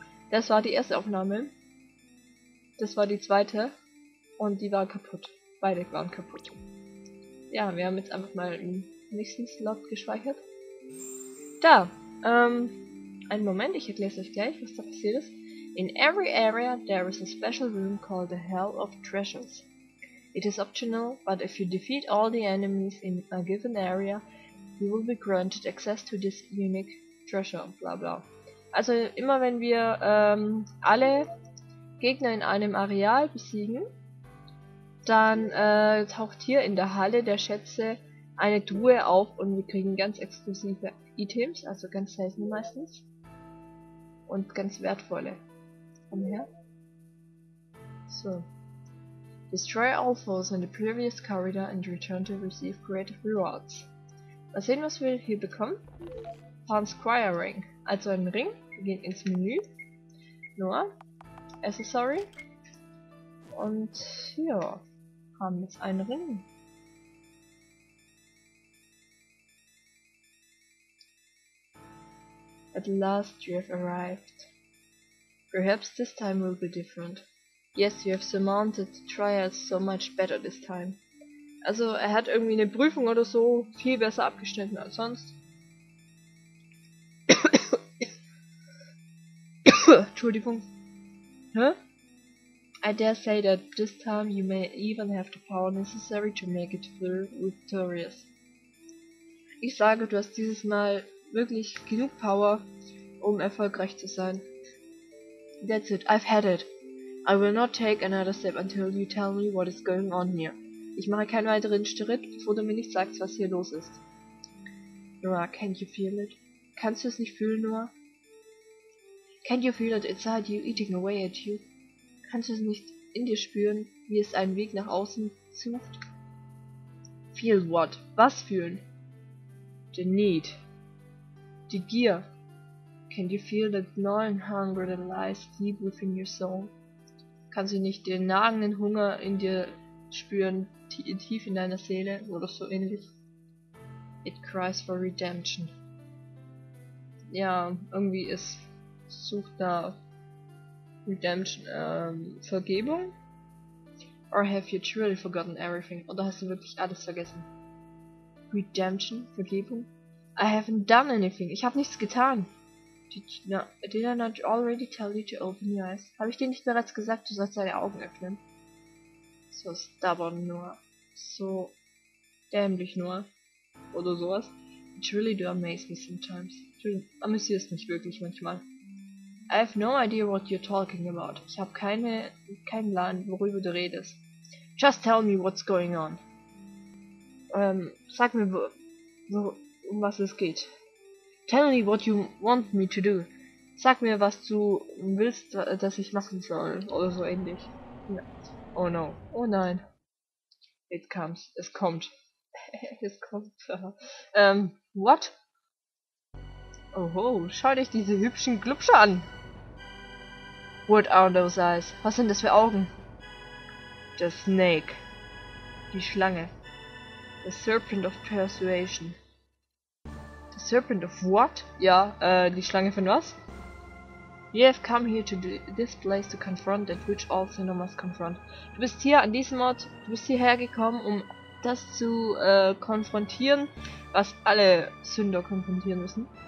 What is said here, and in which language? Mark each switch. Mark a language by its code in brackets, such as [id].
[de] Das war die erste Aufnahme. Das war die zweite. Und die war kaputt. Beide waren kaputt. Ja, wir haben jetzt einfach mal im nächsten Slot gespeichert. Da! Einen Moment, ich erkläre euch gleich, was da passiert ist. [en] In every area there is a special room called the Hell of Treasures. It is optional, but if you defeat all the enemies in a given area, you will be granted access to this unique treasure, bla bla. [de] Also immer wenn wir alle Gegner in einem Areal besiegen, dann taucht hier in der Halle der Schätze eine Truhe auf und wir kriegen ganz exklusive Items, also ganz seltene meistens. Und ganz wertvolle. Komm her. So. [en] Destroy all foes in the previous corridor and return to receive great rewards. [de] Mal sehen, was wir hier bekommen. Pawn Squire Ring. Also ein Ring. Wir gehen ins Menü. Nur. Accessory. Und hier haben jetzt einen Ring. [en] At last you have arrived. Perhaps this time will be different. Yes, you have surmounted the trials so much better this time. [de] Also, er hat irgendwie eine Prüfung oder so viel besser abgeschnitten als sonst. Entschuldigung. Hä? [en] I dare say that this time you may even have the power necessary to make it through victorious. [de] Ich sage, du hast dieses Mal wirklich genug Power, um erfolgreich zu sein. [en] That's it, I've had it. I will not take another step until you tell me what is going on here. [de] Ich mache keinen weiteren Schritt, bevor du mir nicht sagst, was hier los ist. Noah, [en] can you feel it? [de] Kannst du es nicht fühlen, Noah? [en] Can you feel it inside you, eating away at you? [de] Kannst du es nicht in dir spüren, wie es einen Weg nach außen sucht? [en] Feel what? [de] Was fühlen? [en] The need. [de] Die Gier. [en] Can you feel the gnawing hunger that lies deep within your soul? [de] Kannst du nicht den nagenden Hunger in dir spüren, tief in deiner Seele oder so ähnlich? [en] It cries for redemption. [de] Ja, irgendwie ist sucht da Redemption, Vergebung? [en] Or have you truly forgotten everything? [de] Oder hast du wirklich alles vergessen? Redemption? Vergebung? [en] I haven't done anything. [de] Ich habe nichts getan. [en] Did I not already tell you to open your eyes? [de] Habe ich dir nicht bereits gesagt, du sollst deine Augen öffnen? [en] So stubborn, Noah. [de] So dämlich, Noah. Oder sowas. [en] It really do amaze me sometimes. [de] Du amüsierst mich wirklich manchmal. [en] I have no idea what you're talking about. [de] Ich habe keinen Plan, worüber du redest. [en] Just tell me what's going on. [de] Sag mir, um was es geht. [en] Tell me what you want me to do. [de] Sag mir, was du willst, dass ich machen soll. Oder so ähnlich. Ja. [en] Oh no. [de] Oh nein. [en] It comes. [de] Es kommt. Es kommt. what? Oho, schau dich diese hübschen Glubsche an. [en] What are those eyes? [de] Was sind das für Augen? [en] The snake. [de] Die Schlange. [en] The serpent of persuasion. Serpent of what? [de] Ja, die Schlange von was? [en] You have come here to this place to confront that which all sinners confront. [de] Du bist hier an diesem Ort, du bist hierher gekommen, um das zu konfrontieren, was alle Sünder konfrontieren müssen.